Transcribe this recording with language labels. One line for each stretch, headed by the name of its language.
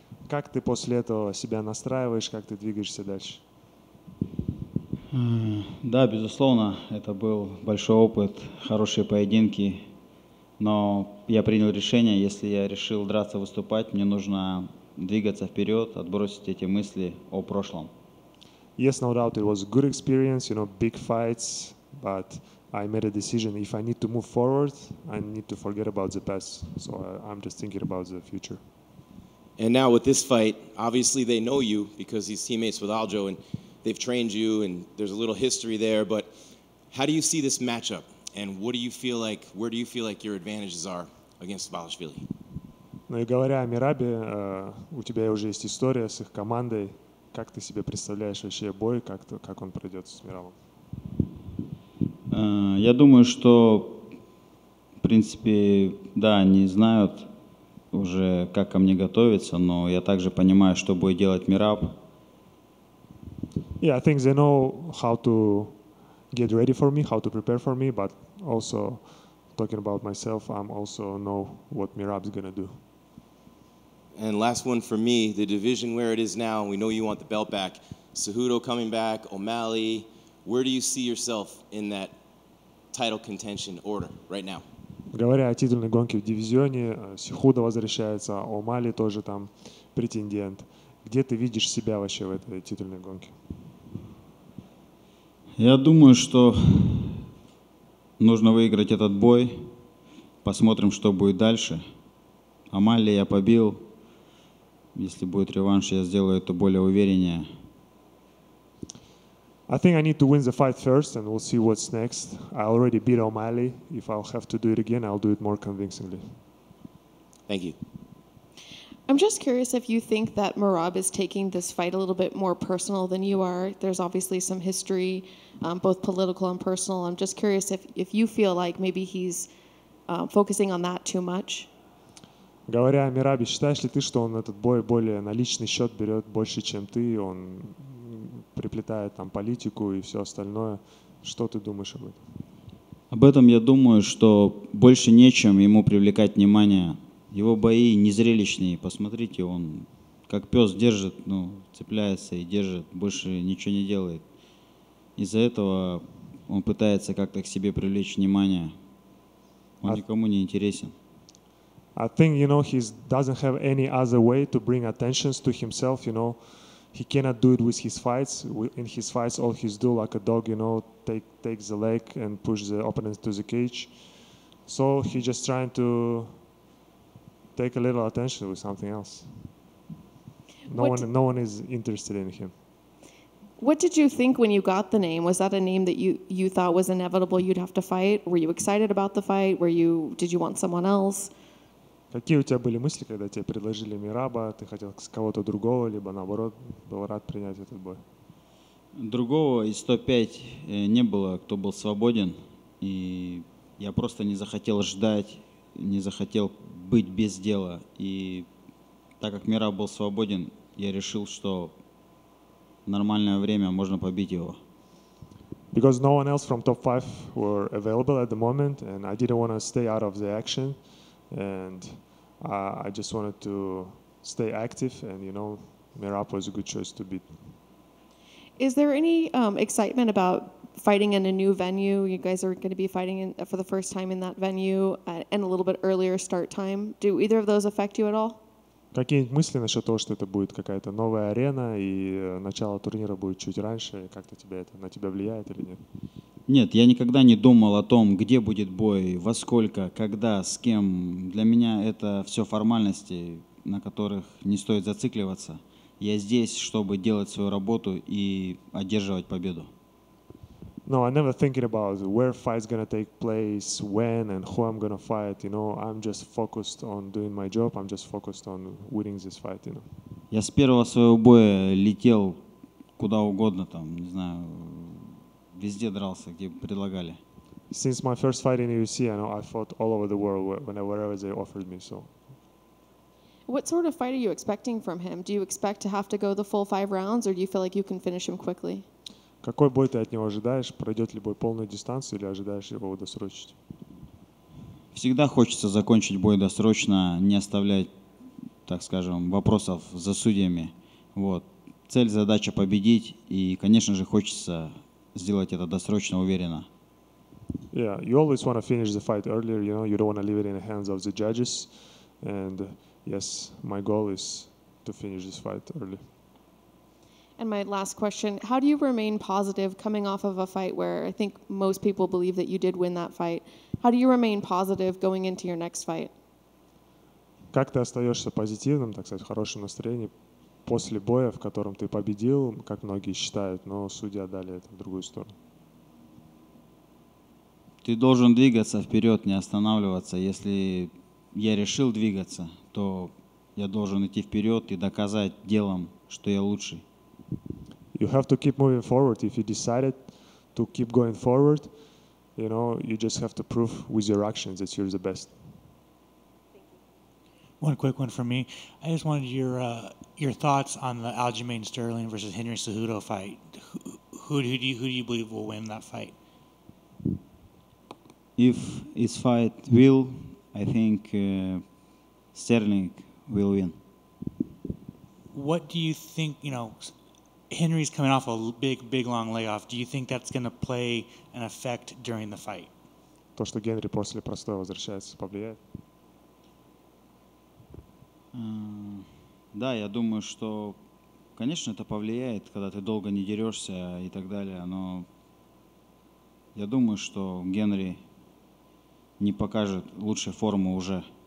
Russian: Как ты после этого себя настраиваешь, как ты двигаешься дальше? Да, безусловно, это был большой опыт, хорошие поединки. Но я принял решение, если я решил драться, выступать, мне нужно двигаться вперед, отбросить эти мысли о прошлом.
English: Yes, no doubt, it was a good experience, you know, big fights, but I made a decision. If I need to move forward, I need to forget about the past. So I'm just thinking about the future. And now with this fight, obviously they know you because he's teammates with Aljo and they've trained you and there's a little history there. But how do you see this matchup? And what do you feel like, where do you feel like your advantages are against Dvalishvili?
Russian: Ну и говоря о Мерабе, у тебя уже есть история с их командой. Как ты себе представляешь вообще бой, как он пройдет с Мерабом? Я думаю, что, в принципе, да, они знают уже, как ко мне готовиться, но я также понимаю, что будет делать Мираб.
English: Yeah, I think they know how to get ready for me, how to prepare for me, but also talking about myself, I also know what Mirab is gonna do. And last one for me, the division where it is now, we know you want the belt back. Cejudo coming back, O'Malley, where do you see yourself in that title contention order right now?
Russian: Говоря о титульной гонке в дивизионе, Сихуда возвращается, О'Малли тоже там претендент. Где ты видишь себя вообще в этой титульной гонке? Я думаю, что нужно выиграть этот бой. Посмотрим, что будет дальше. О'Малли я побил. Если будет реванш, я сделаю это более увереннее.
English: I think I need to win the fight first, and we'll see what's next. I already beat O'Malley. If I'll have to do it again, I'll do it more convincingly. Thank you. I'm just curious if you think that Merab is taking this fight a little bit more personal than you are. There's obviously some history, both political and personal. I'm just curious if you feel like maybe he's focusing on that too much.
Russian: Говоря о Мерабе, считаешь ли ты, что он этот бой более на личный счет берет больше, чем ты? Он приплетает там политику и все остальное. Что ты думаешь об этом? Об этом я думаю, что больше нечем ему привлекать внимание. Его бои незрелищные. Посмотрите, он как пес держит, ну, цепляется и держит, больше ничего не делает. Из-за этого он пытается как-то к себе привлечь внимание. Он никому не интересен.
English: I think, you know, he doesn't have any other way to bring attention to himself, you know. He cannot do it with his fights. In his fights, all he's do like a dog, you know, take the leg and push the opponent to the cage. So he's just trying to take a little attention with something else. No one is interested in him. What did you think when you got the name? Was that a name that you thought was inevitable? You'd have to fight. Were you excited about the fight? Did you want someone else?
Russian: Какие у тебя были мысли, когда тебе предложили Мираба? Ты хотел с кого-то другого, либо наоборот, был рад принять этот бой? Другого из 105 не было, кто был свободен. И я просто не захотел ждать, не захотел быть без дела. И так как Мираб был свободен, я решил, что нормальное время, можно побить его.
English: Because no one else from top 5 were available at the moment, and I didn't want to stay out of the action. And I just wanted to stay active, and you know, Merab was a good choice to beat. Is there any excitement about fighting in a new venue? You guys are going to be fighting for the first time in that venue, and a little bit earlier start time. Do either of those affect you at all?
Russian: Какие мысли насчет того, что это будет какая-то новая арена и начало турнира будет чуть раньше? Как-то тебе это на тебя влияет или нет? Нет, я никогда не думал о том, где будет бой, во сколько, когда, с кем. Для меня это все формальности, на которых не стоит зацикливаться. Я здесь, чтобы делать свою работу и одерживать победу.
English: No, I never thinking about where fight's going to take place, when and who I'm going to fight. You know, I'm just focused on doing my job. I'm just focused on winning this fight, you know.
Russian: Я с первого своего боя летел куда угодно там, не знаю, везде дрался, где предлагали.
English: Since my first fight in UFC, you know, I fought all over the world wherever they offered me, so. What sort of fight are you expecting from him? Do you expect to have to go the full five rounds or do you feel like you can finish him quickly?
Russian: Какой бой ты от него ожидаешь? Пройдет ли бой полную дистанцию или ожидаешь его досрочить? Всегда хочется закончить бой досрочно, не оставлять, так скажем, вопросов за судьями. Вот. Цель, задача победить, и, конечно же, хочется сделать это досрочно, уверенно.
English: Yeah, you always want to finish the fight earlier, you know, you don't want to leave it in the hands of the judges. And yes, my goal is to finish this fight early. And my last question, how do you remain positive coming off of a fight where I think most people believe that you did win that fight? How do you remain positive going into your next fight?
Russian: Как ты остаешься позитивным, так сказать, в хорошем настроении после боя, в котором ты победил, как многие считают, но судьи отдали это в другую сторону? Ты должен двигаться вперед, не останавливаться. Если я решил двигаться, то я должен идти вперед и доказать делом, что я лучший.
English: You have to keep moving forward. If you decided to keep going forward, you know, you just have to prove with your actions that you're the best. One quick one from me. I just wanted your thoughts on the Aljamain Sterling versus Henry Cejudo fight. Who do you believe will win that fight? If his fight will, I think Sterling will win. What do you think, you know, Henry's coming off a big, big long layoff. Do you think that's going to play an effect during the fight?
Russian: То, что Генри после простоя возвращается, повлияет? Да, я думаю, что, конечно, это повлияет, когда ты долго не дерешься и так далее, но я думаю, что Генри не покажет лучшей формы уже.